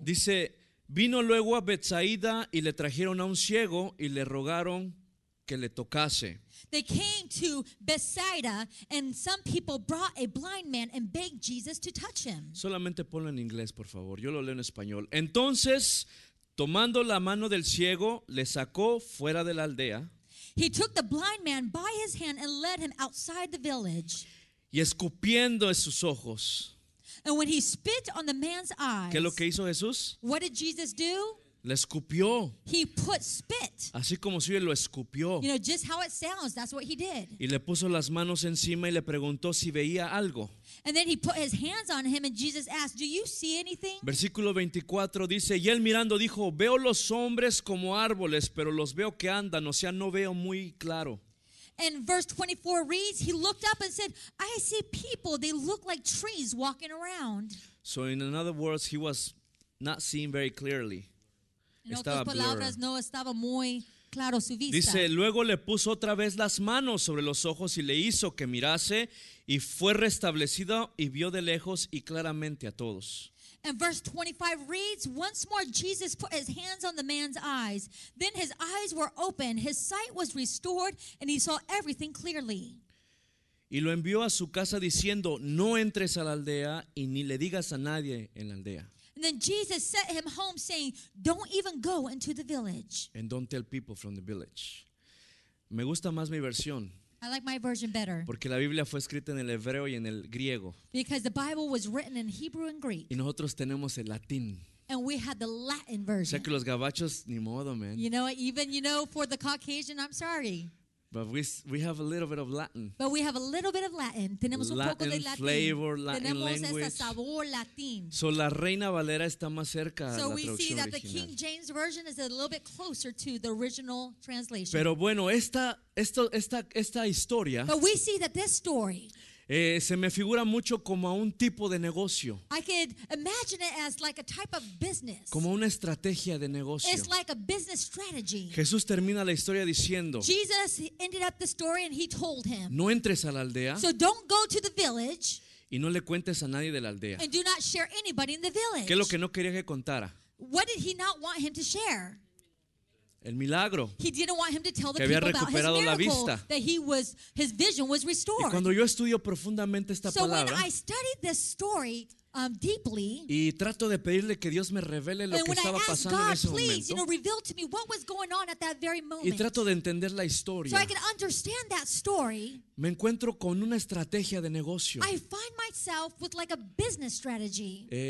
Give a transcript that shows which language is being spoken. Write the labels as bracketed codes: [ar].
[es] Dice, vino luego a Bethsaida y le trajeron a un ciego y le rogaron que le tocase. [en] They came to Bethsaida and some people brought a blind man and begged Jesus to touch him. [es] Solamente ponlo en inglés, por favor. Yo lo leo en español. Entonces, tomando la mano del ciego, le sacó fuera de la aldea. [en] He took the blind man by his hand and led him outside the village. [es] Y escupiendo en sus ojos. [en] And when he spit on the man's eyes. [es] ¿Qué es lo que hizo Jesús? [en] What did Jesus do? [es] Le escupió. [en] He put spit. [es] Así como si él lo escupió. [en] You know, just how it sounds, that's what he did. [es] Y le puso las manos encima y le preguntó si veía algo. [en] And then he put his hands on him and Jesus asked, do you see anything? [es] Versículo 24 dice, y él mirando dijo, veo los hombres como árboles, pero los veo que andan, o sea, no veo muy claro. [en] And verse 24 reads, he looked up and said, I see people, they look like trees walking around. So in other words, he was not seeing very clearly. [es] En otras palabras, no estaba muy claro su vista. Dice, luego le puso otra vez las manos sobre los ojos y le hizo que mirase y fue restablecido y vio de lejos y claramente a todos. [en] And verse 25 reads, once more Jesus put his hands on the man's eyes. Then his eyes were open, his sight was restored, and he saw everything clearly. [es] Y lo envió a su casa diciendo, no entres a la aldea y ni le digas a nadie en la aldea. [en] And then Jesus sent him home saying, don't even go into the village. And don't tell people from the village. [es] Me gusta más mi versión. [en] I like my version better. [es] Porque la Biblia fue escrita en el hebreo y en el griego. [en] Because the Bible was written in Hebrew and Greek. [es] Y nosotros tenemos el latín. [en] And we had the Latin version. [es] O sea que los gabachos, ni modo, man. [en] You know, even, you know, for the Caucasian, I'm sorry. But we have a little bit of Latin. But we have a little bit of Latin. [es] Tenemos [en] Latin [es] un poco de Latin. [en] Latin flavor, Latin [es] tenemos [en] language. [es] Tenemos ese sabor latín. So la Reina Valera está más cerca [en] so [es] a la traducción original. [en] So we see that original. The King James Version is a little bit closer to the original translation. [es] Pero bueno, esta historia. [en] But we see that this story. [es] Se me figura mucho como a un tipo de negocio. [en] I could imagine it as like a type of business. [es] Como una estrategia de negocio. [en] It's like a business strategy. [es] Jesús termina la historia diciendo. [en] Jesus ended up the story and he told him. [es] No entres a la aldea. [en] So don't go to the village. [es] Y no le cuentes a nadie de la aldea. [en] And do not share anybody in the village. [es] ¿Qué es lo que no quería que contara? [en] What did he not want him to share? [es] El milagro. [en] He didn't want him to tell the [es] que había recuperado [en] people about his miracle, [es] la vista. [en] That his vision was restored. [es] Y cuando yo estudio profundamente esta [en] so [es] palabra, [en] when I studied this story deeply, [es] y trato de pedirle que Dios me revele lo que estaba pasando [en] God, [es] en ese [en] please, you know, reveal to me what was going on at that very moment, [es] y trato de entender la historia, [en] so I can understand that story, [es] me encuentro con una estrategia de negocio. [en] I find myself with like a business strategy.